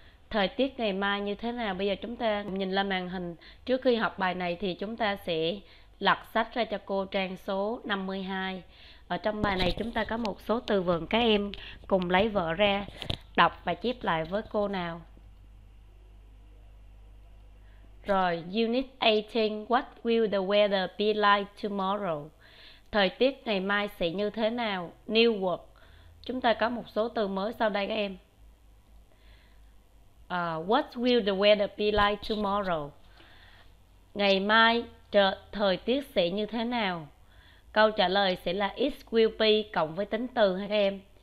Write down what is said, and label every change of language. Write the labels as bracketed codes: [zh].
[vi] Thời tiết ngày mai như thế nào? Bây giờ chúng ta cùng nhìn lên màn hình. Trước khi học bài này thì chúng ta sẽ lật sách ra cho cô trang số 52. Ở trong bài này chúng ta có một số từ vựng, các em cùng lấy vở ra đọc và chép lại với cô nào. [en] Rồi, Unit 18, what will the weather be like tomorrow? [vi] Thời tiết ngày mai sẽ như thế nào? [en] New word. [vi] Chúng ta có một số từ mới sau đây các em. [en] What will the weather be like tomorrow? [vi] Ngày mai thời tiết sẽ như thế nào? Câu trả lời sẽ là [en] it will be [vi] cộng với tính từ các em.